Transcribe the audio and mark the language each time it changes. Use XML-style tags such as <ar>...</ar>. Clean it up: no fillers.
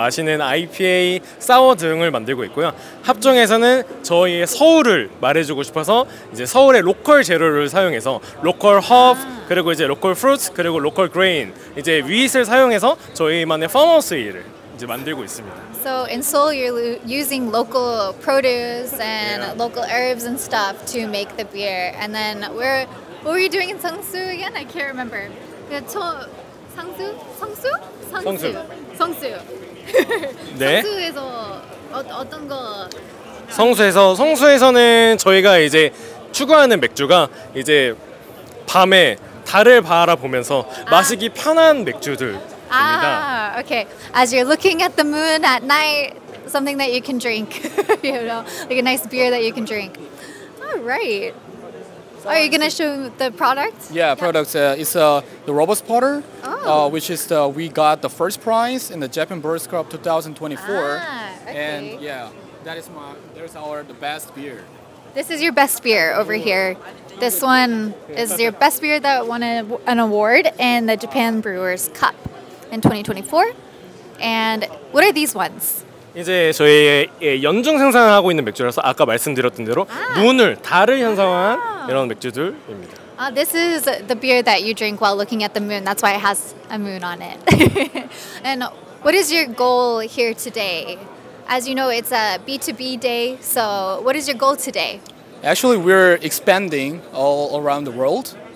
<ko>마시는 IPA, 사워 등을 만들고 있고요. 합정에서는 저희의 서울을 말해주고 싶어서 이제 서울의 로컬 재료를 사용해서 로컬 허브, 그리고 이제 로컬 프루트, 그리고 로컬 그레인, 이제 윗을 사용해서 저희만의 펌하우스 일을 이제 만들고 있습니다.</ko> <en>So in Seoul, you're using local produce and yeah. local herbs and stuff to make the beer. And then we're What were you doing in Seongsu again? I can't remember. Seongsu? Seongsu. Seongsu.</en> <ko>성수. 네. 성수에서 어떤 거? 성수에서 성수에서는 저희가 이제 추구하는 맥주가 이제 밤에 달을 바라보면서 마시기 편한 맥주들입니다.</ko> <en>Okay. As you're looking at the moon at night, something that you can drink, you know, like a nice beer that you can drink. All right. Are you going to show the product? Yeah, product. Yeah. It's the Robust Potter, which is we got the first prize in the Japan Brewers Cup 2024. Ah, okay. And yeah, that is my, there's our the best beer. This is your best beer over here. This one is your best beer that won an award in the Japan Brewers Cup in 2024. And what are these ones?</en> <ko>이제 저희의 연중 생산하고 있는 맥주라서 아까 말씀드렸던 대로 눈을 달을 현상한 이런 맥주들입니다.</ko> <en>This is the beer that you drink while looking at the moon. That's why it has a moon on it. And what is your goal here today? As you know, it's a B2B day. So what is your goal today? Actually, we're expanding all around the world.</en>